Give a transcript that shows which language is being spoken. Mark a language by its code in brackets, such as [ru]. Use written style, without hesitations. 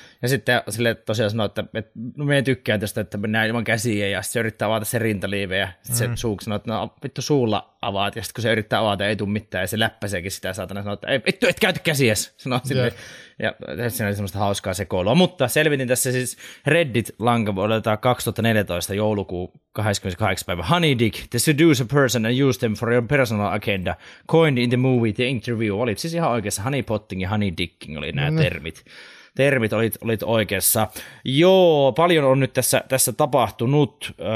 [fi] Ja sitten sille tosiaan sanoo, että no me ei tykkää tästä, että mennään ilman käsiä, ja sitten se yrittää avata sen rintaliive, ja sitten se suuksi sanoo, että no vittu suulla avaat, ja sitten kun se yrittää avata, ei tule mitään, ja se läppäseekin sitä saatana, sanoo, että ei vittu, et käytä käsiä, sanoo sille. Ja siinä oli semmoista hauskaa sekoilua, mutta selvitin tässä siis Reddit-lanka vuodelta 2014 joulukuun 28. päivä. [en] Honey Dick, to seduce a person and use them for your personal agenda, coined in the movie The Interview. [fi] Olit siis ihan oikeassa, honey potting ja honey dicking oli nämä termit. Termit olit oikeassa. Joo, paljon on nyt tässä tapahtunut.